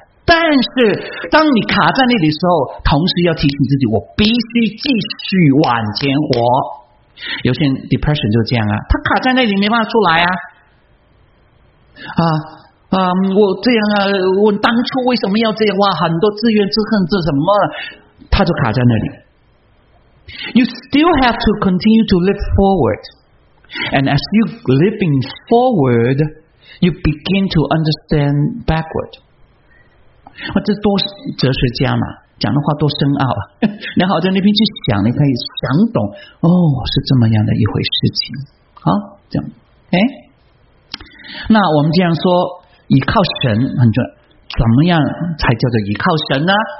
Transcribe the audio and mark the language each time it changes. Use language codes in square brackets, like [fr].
[zh] 但是当你卡在那里的时候，同时要提醒自己，我必须继续往前活。有些 depression 就这样啊，他卡在那里没办法出来啊。啊啊，我这样啊，我当初为什么要这样？哇，很多自怨自恨，这什么？他就卡在那里。 [en] You still have to continue to live forward, and as you living forward, you begin to understand backward。 [zh] 啊，这多哲学家嘛，讲的话多深奥啊！你好，在那边去想，你可以想懂哦，是这么样的一回事情。好，这样，哎，那我们这样说。依靠神很重要，怎么样才叫做依靠神呢？